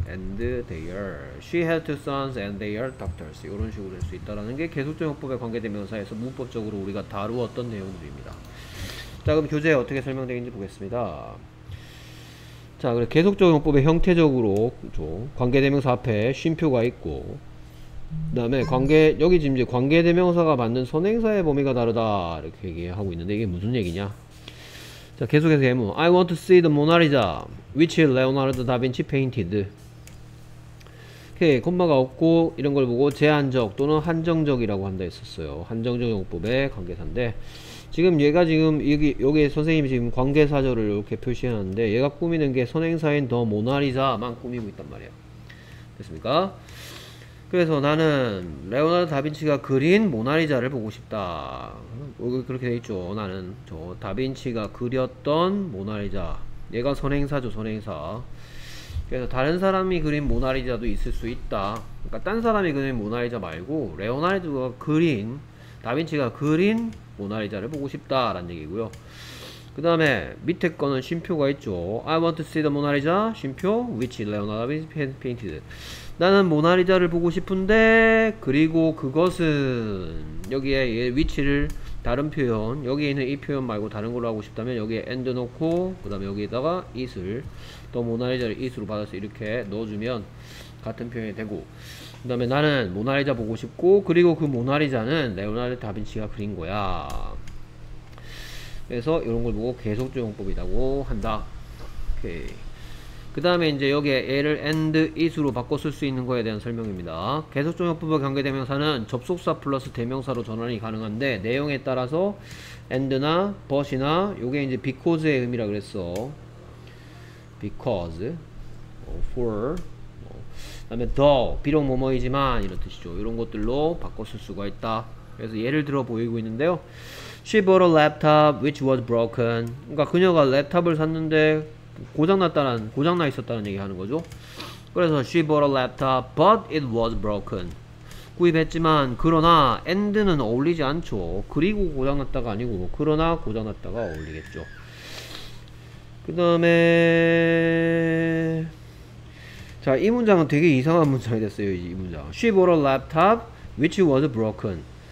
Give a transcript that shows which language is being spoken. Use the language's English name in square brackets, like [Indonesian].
[English] and they are, she has two sons and they are doctors. [Korean] 요런 식으로 될수 있다라는 게 계속적 용법에 관계대명사에서 문법적으로 우리가 다루었던 내용들입니다. 자, 그럼 교재에 어떻게 설명되는지 보겠습니다. 자, 그래, 계속적 용법의 형태적으로, 그죠, 관계대명사 앞에 쉼표가 있고, 그 다음에 관계, 여기 지금 이제 관계대명사가 받는 선행사의 범위가 다르다 이렇게 얘기하고 있는데, 이게 무슨 얘기냐? 자, 계속해서 예문. [English] I want to see the Mona Lisa, which Leonardo da Vinci painted. [Korean] 이렇게 콤마가 없고, 이런 걸 보고 제한적 또는 한정적이라고 한다 했었어요. 한정적 용법의 관계사인데, 지금 얘가 지금 여기 선생님이 지금 관계사절을 이렇게 표시하는데, 얘가 꾸미는 게 선행사인 더 모나리자만 꾸미고 있단 말이야. 됐습니까? 그래서 나는 레오나르도 다빈치가 그린 모나리자를 보고 싶다. 여기 그렇게 돼 있죠. 나는 저 다빈치가 그렸던 모나리자. 얘가 선행사죠, 선행사. 그래서 다른 사람이 그린 모나리자도 있을 수 있다. 그러니까 딴 사람이 그린 모나리자 말고 레오나르도가 그린, 다빈치가 그린 모나리자를 보고 싶다라는 얘기고요. 그 다음에 밑에 거는 쉼표가 있죠. [English] I want to see the Mona Lisa, [Korean] 쉼표, [English] which Leonardo painted. [Korean] 나는 모나리자를 보고 싶은데, 그리고 그것은, 여기에 얘 위치를 다른 표현, 여기에 있는 이 표현 말고 다른 걸로 하고 싶다면 여기에 and 넣고, 그 다음에 여기에다가 it을, 더 모나리자를 it으로 받아서 이렇게 넣어주면 같은 표현이 되고, 그 다음에 나는 모나리자 보고 싶고, 그리고 그 모나리자는 레오나르도 다빈치가 그린 거야. 그래서 이런 걸 보고 계속적 용법이라고 한다. 오케이. 그 다음에 이제 여기에 얘를 and it으로 바꿔 쓸 수 있는 거에 대한 설명입니다. 계속종역법의 관계대명사는 접속사 플러스 대명사로 전환이 가능한데 내용에 따라서 and나 but이나 요게 이제 because의 의미라 그랬어. because for 뭐. 그 다음에 though 비록 뭐뭐이지만 이런 뜻이죠. 이런 것들로 바꿔 쓸 수가 있다. 그래서 예를 들어 보이고 있는데요. [English] She bought a laptop which was broken. [Korean] 그러니까 그녀가 랩탑을 샀는데 고장났다는, 고장나 있었다는 얘기 하는 거죠. [English] 그래서 she bought a laptop but it was broken. [Korean] 구입했지만 그러나 and는 어울리지 않죠. 그리고 고장났다가 아니고 그러나 고장났다가 어울리겠죠. 그 다음에 자, 이 문장은 되게 이상한 문장이 됐어요. 이 문장. [English] She bought a laptop which was broken.